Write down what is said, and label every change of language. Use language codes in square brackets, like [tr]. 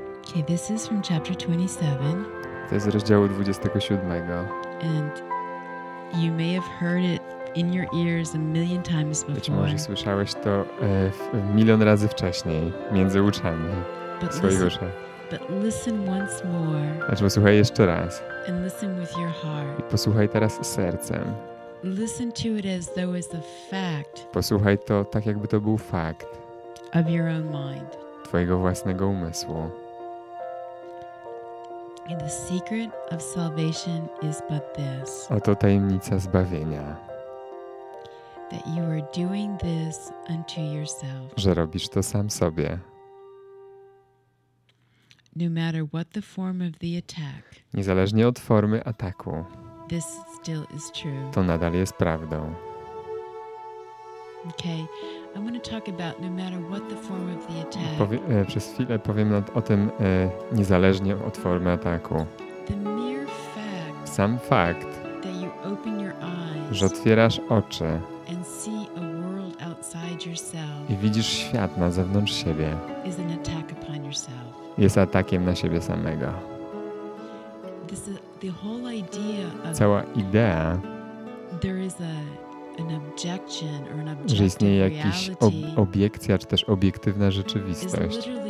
[en] Okay, this is from chapter 27. [pl] To jest z rozdziału 27. [en] And you may have heard it in your ears a million times before. [pl] Być może słyszałeś to milion razy wcześniej, między uczami swoich uszy. [en] But listen once more. [pl] Znaczy, posłuchaj jeszcze raz. [en] And listen with your heart. [pl] I posłuchaj teraz sercem. [en] Listen to it as though it's a fact. [pl] Posłuchaj to tak, jakby to był fakt. [en] Of your own mind. [pl] Twojego własnego umysłu. [en] And the secret of salvation is but this. [pl] Oto tajemnica zbawienia. [en] That you are doing this unto yourself. [pl] Że robisz to sam sobie. [en] No matter what the form of the attack. [pl] Niezależnie od formy ataku. [en] This still is true. [pl] To nadal jest prawdą. [en] Okay. I'm going to talk about no matter what the form of the attack. [pl] Przez chwilę powiem o tym niezależnie od formy ataku. [en] The mere fact. [pl] Sam fakt. [en] That you open your eyes. [pl] Że otwierasz oczy. [en] And see a world outside yourself. [pl] I widzisz świat na zewnątrz siebie. [en] Is an attack upon yourself. [pl] Jest atakiem na siebie samego. [en] This is the whole idea of. [pl] Cała idea. [en] There is a. An objection or an objective [pl] że istnieje jakaś obiekcja, czy też obiektywna rzeczywistość.